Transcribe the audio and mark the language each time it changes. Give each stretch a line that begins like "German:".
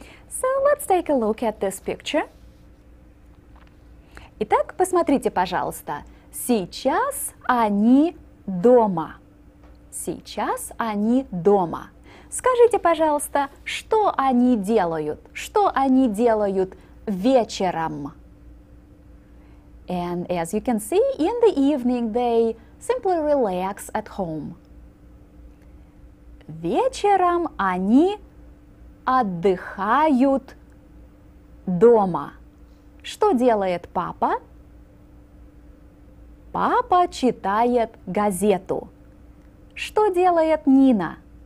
English: So let's take a look at this picture.
Russian: Итак, посмотрите, пожалуйста. Сейчас они дома. Сейчас они дома. Скажите, пожалуйста, что они делают? Что они делают вечером?
English: And as you can see, in the evening they simply relax at home.
Russian: Вечером они отдыхают дома. Что делает папа? Папа читает газету. Что делает Нина?